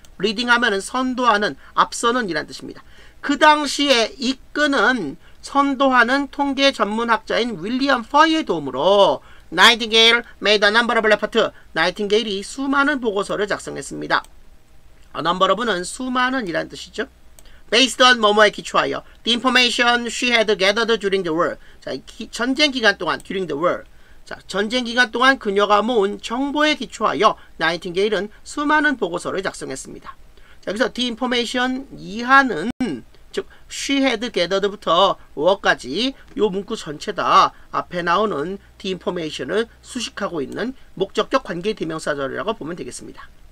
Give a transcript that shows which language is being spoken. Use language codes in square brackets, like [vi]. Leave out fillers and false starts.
[ko] leading 하면은 선도하는, 앞서는 이란 뜻입니다. 그 당시에 이끄는 선도하는 통계 전문학자인 윌리엄 퍼의 도움으로 나이팅게일 [en] 메이드 넘버 오브 레포트, [ko] 나이팅게일이 수많은 보고서를 작성했습니다. 넘버 오브는 수많은이란 뜻이죠. [en] Based on [ko] 뭐뭐에 기초하여 [en] The information she had gathered during the war. [ko] 자, 전쟁 기간 동안 [en] during the war. [ko] 자, 전쟁 기간 동안 그녀가 모은 정보에 기초하여 나이팅게일은 수많은 보고서를 작성했습니다. 자, 여기서 The information 이하는 즉 [en] she had gathered [ko] 부터 what까지 요 문구 전체다 앞에 나오는 the information을 수식하고 있는 목적격 관계 대명사절이라고 보면 되겠습니다.